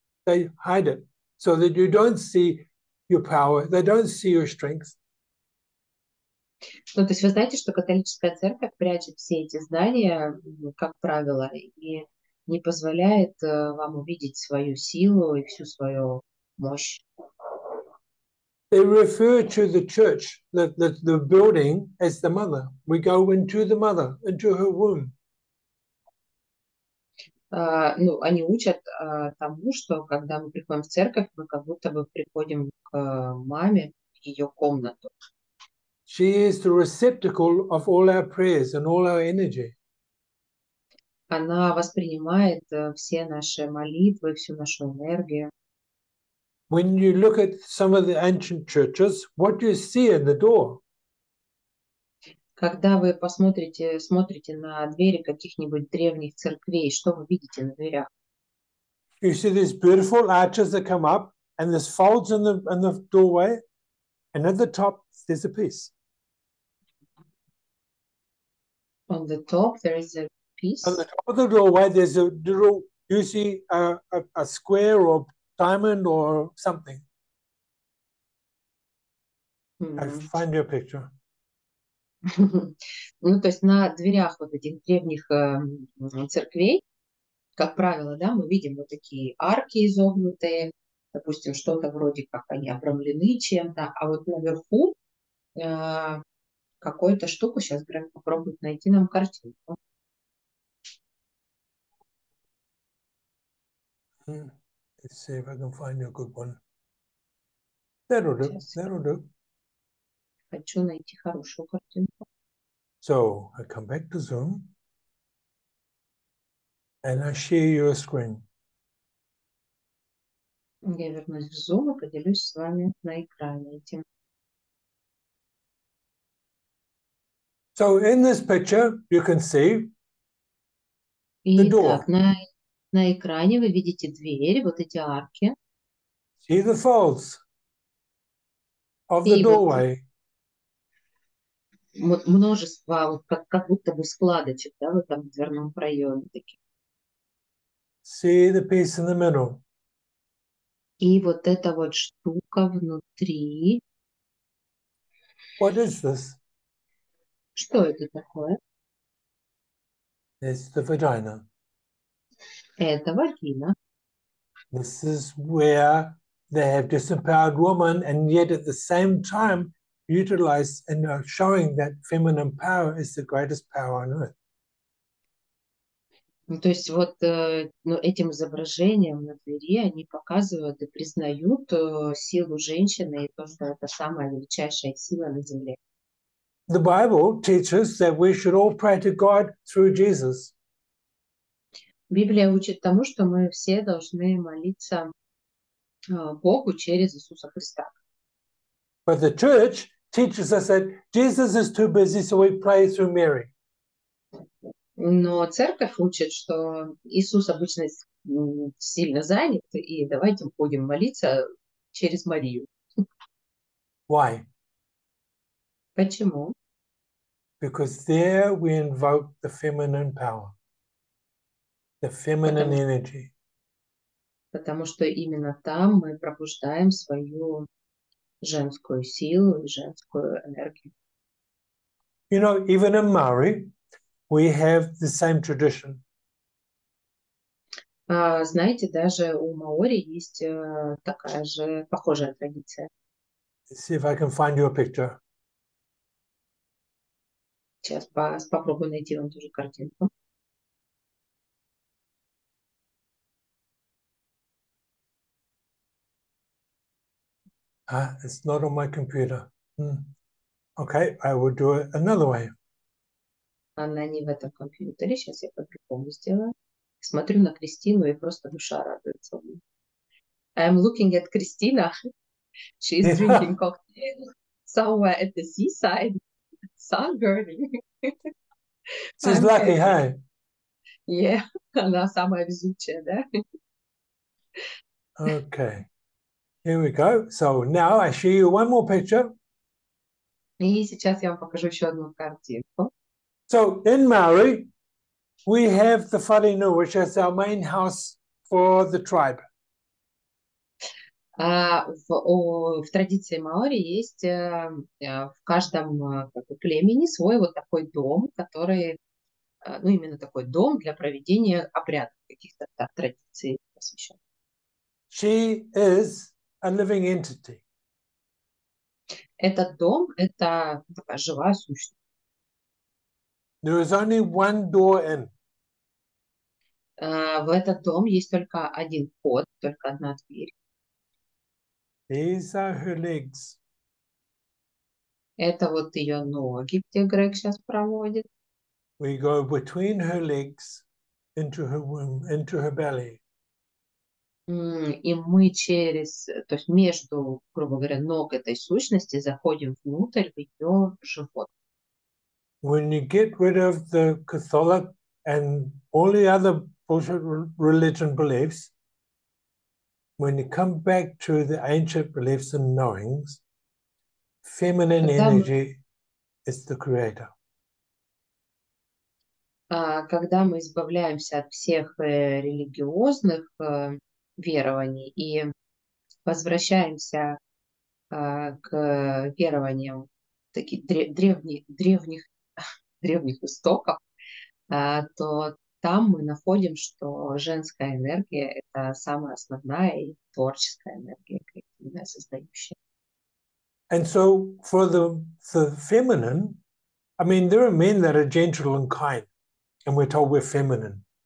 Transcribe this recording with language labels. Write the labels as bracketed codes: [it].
[en] They hide it so that you don't see your power, they don't see your strength. [ru] Ну, то есть вы знаете, что католическая церковь прячет все эти знания, как правило, и не позволяет вам увидеть свою силу и всю свою мощь. [en] They refer to the church, the building, as the mother. We go into the mother, into her womb. [ru] Ну, они учат тому, что когда мы приходим в церковь, мы как будто бы приходим к маме, в ее комнату. [en] She is the receptacle of all our prayers and all our energy. [ru] она воспринимает все наши молитвы, всю нашу энергию. [en] When you look at some of the ancient churches, what do you see in the door? [ru] Когда вы смотрите на двери каких-нибудь древних церквей, что вы видите на дверях? [en] You see these beautiful arches that come up, and there's folds in the doorway, and at the top there's a piece. On the top there is a piece. On the top of the doorway there's a little, you see a square or diamond or something. I find your picture. [ru] Ну, то есть на дверях вот этих древних церквей, как правило, да, мы видим вот такие арки изогнутые, допустим, что-то вроде как они обрамлены чем-то, а вот наверху какую-то штуку, сейчас Грег попробует найти нам картинку. [en] Let's see if I can find you a good one. That'll do. That'll do. [ru] Хочу найти хорошую картинку. [en] So I come back to Zoom and I share your screen. [ru] Я вернусь в Zoom и поделюсь с вами на экране этим. [en] So in this picture you can see the door. [ru] Итак, на экране вы видите двери, вот эти арки. [en] See the folds of the doorway. [ru] Множество, как будто бы складочек, да, в этом дверном проеме таких. [en] See the piece in the middle. [ru] И вот эта вот штука внутри. [en] What is this? [ru] Что это такое? [en] It's the vagina. [ru] Это вагина. [en] This is where they have disempowered woman, and yet at the same time utilize and showing that feminine power is the greatest power on earth. [ru] Ну, то есть вот этим изображением на двери они показывают и признают силу женщины и то, что это самая величайшая сила на земле. [en] The Bible teaches that we should all pray to God through Jesus. [ru] Библия учит тому, что мы все должны молиться Богу через Иисуса Христа. [en] But the church teaches us that Jesus is too busy, so we pray through Mary. [ru] Но церковь учит, что Иисус обычно сильно занят, и давайте будем молиться через Марию. [en] Why? [ru] Почему? [en] Because there we invoke the feminine power, the feminine energy. [ru] Потому что именно там мы пробуждаем свою женскую силу и женскую энергию. [en] You know, even in Maori, we have the same tradition. [ru] Знаете, даже у Маори есть такая же похожая традиция. [en] Let's see if I can find you a picture. [ru] Сейчас попробую найти вам тоже картинку. [en] It's not on my computer. Okay, I will do it another way. [ru] Она не в этом компьютере. Сейчас я по-другому сделаю. Смотрю на Кристину, и просто душа радуется. [en] I'm looking at Christina. She's drinking cocktail somewhere at the seaside. Sun burning. She's lucky, hey? [ru] Yeah, она самая везучая, да? [en] Okay. Here we go. So now I show you one more picture. [ru] И сейчас я вам покажу еще одну картинку. [en] So in Maori, we have the Wharenui, which is our main house for the tribe. [ru] В традиции Маори есть в каждом племени свой вот такой дом, который, ну именно такой дом для проведения обрядов каких-то так, традиций посвящен. [en] She is a living entity. [ru] Этот дом – это такая живая сущность. [en] There is only one door in. [ru] В этот дом есть только один вход, только одна дверь. [en] These are her legs. [ru] Это вот ее ноги, где Грег сейчас проводит. [en] We go between her legs. into her womb, into her belly. [ru] И мы через, то есть между, грубо говоря, ног этой сущности заходим внутрь в ее живот. [en] When you get rid of the Catholic and all the other bullshit religion beliefs, when you come back to the ancient beliefs and knowings, feminine energy is the creator. [ru] Когда мы избавляемся от всех религиозных верований и возвращаемся к верованиям таких древних истоков, то там мы находим, что женская энергия — это самая основная и творческая энергия, креативная, создающая. [en] And so for the feminine, I mean, there are men that are gentle and kind, and we're told we're feminine.